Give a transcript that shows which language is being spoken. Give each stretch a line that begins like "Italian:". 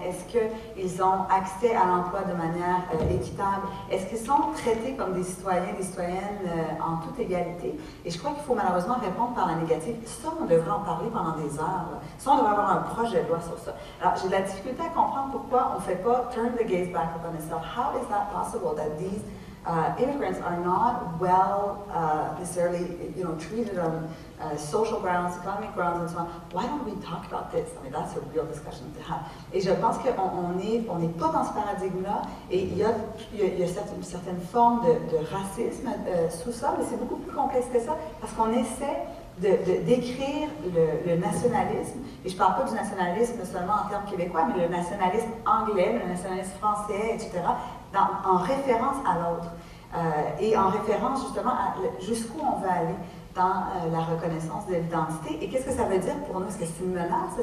French: Est-ce qu'ils ont accès à l'emploi de manière équitable? Est-ce qu'ils sont traités comme des citoyens, des citoyennes en toute égalité? Et je crois qu'il faut malheureusement répondre par la négative. Ça, on devrait en parler pendant des heures. Ça, on devrait avoir un projet de loi sur ça. Alors, j'ai de la difficulté à comprendre pourquoi on ne fait pas «
English: turn the gaze back upon itself ». How is that possible that these immigrants are not well necessarily, you know, treated on social grounds, economic grounds, and so on. Why don't we talk about this? I mean, that's a real discussion to have.
French: Et je pense qu'on n'est pas dans ce paradigme-là, et il y a une certaine forme de racisme sous ça, mais c'est beaucoup plus complexe que ça, parce qu'on essaie d'écrire le nationalisme, et je parle pas du nationalisme seulement en termes québécois, mais le nationalisme anglais, le nationalisme français, etc., en référence à l'autre, et en référence justement à jusqu'où on veut aller dans la reconnaissance de l'identité, et qu'est-ce que ça veut dire pour nous? Est-ce que c'est une menace?